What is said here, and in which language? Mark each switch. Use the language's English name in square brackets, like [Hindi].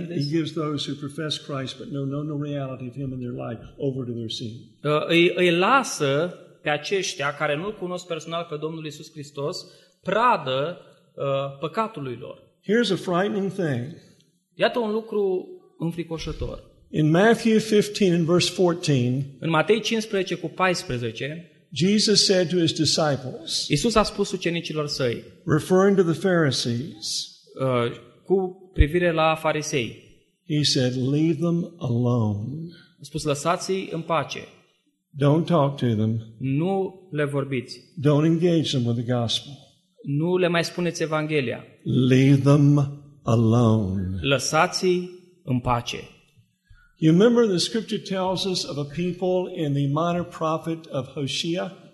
[English] gives those who profess Christ but know no reality of him in their life over to their sin. [Romanian] Îi lasă pe aceștia care nu-L cunosc personal pe Domnul Iisus Hristos, pradă păcatului lor. [English] Here's a frightening thing. [Romanian] Iată un lucru înfricoșător. [English] In Matthew 15 and verse 14, [Romanian] în Matei 15 cu 14, [English] Jesus said to his disciples, [Romanian] Iisus a spus ucenicilor săi, [English] referring to the Pharisees, [Romanian] cu privire la farisei, [English] he said, leave them alone. [Romanian] A spus, lăsați-i în pace. [English] Don't talk to them. [Romanian] Nu le vorbiți. [English] Don't engage them with the gospel. [Romanian] Nu le mai spuneți Evanghelia. [English] Leave them alone. [Romanian] Lăsați-i în pace. [English] You remember the scripture tells us of a people in the minor prophet of Hosea?